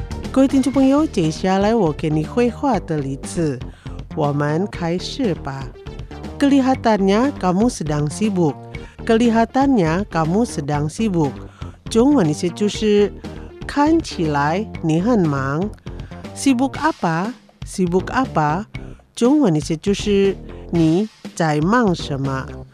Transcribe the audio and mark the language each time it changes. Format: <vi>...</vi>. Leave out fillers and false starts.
<zh>各位听众朋友，接下来我给你绘画的例子，我们开始吧。</zh> <id>kelihatannya kamu sedang sibuk， kelihatannya kamu sedang sibuk，</id> <zh>中文意思就是看起来你很忙。</zh> <id>sibuk apa，</id> <zh>中文意思就是你在忙什么。</zh>